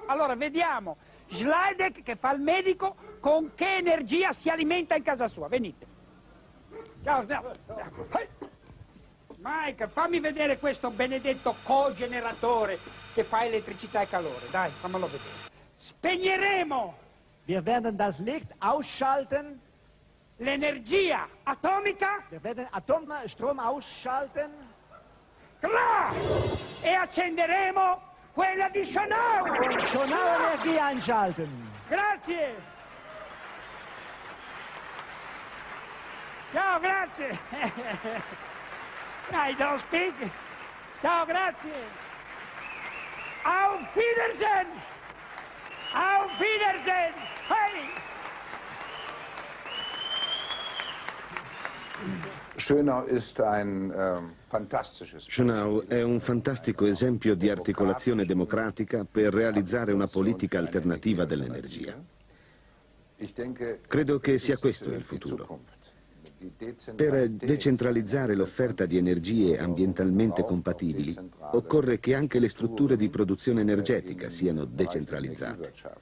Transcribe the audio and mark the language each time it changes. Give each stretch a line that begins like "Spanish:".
Italian: Allora vediamo Schleideck, che fa il medico, con che energia si alimenta in casa sua. Venite. Ciao, ciao. Mike, fammi vedere questo benedetto cogeneratore che fa elettricità e calore. Dai, fammelo vedere. Spegneremo.
German: Wir werden das Licht ausschalten.
Italian: L'energia atomica.
German: Wir werden Atomstrom ausschalten. Klar.
Italian: E accenderemo quella di Schönau.
German: Schönau Energie einschalten.
Italian: Grazie. Ciao, grazie.
English: I don't speak.
Italian: Ciao, grazie.
German: Auf Wiedersehen. Auf Wiedersehen. Hey. Schönau ist ein fantastisches.
Italian: Schönau è un fantastico esempio di articolazione democratica per realizzare una politica alternativa dell'energia. Credo che sia questo il futuro. Per decentralizzare l'offerta di energie ambientalmente compatibili, occorre che anche le strutture di produzione energetica siano decentralizzate.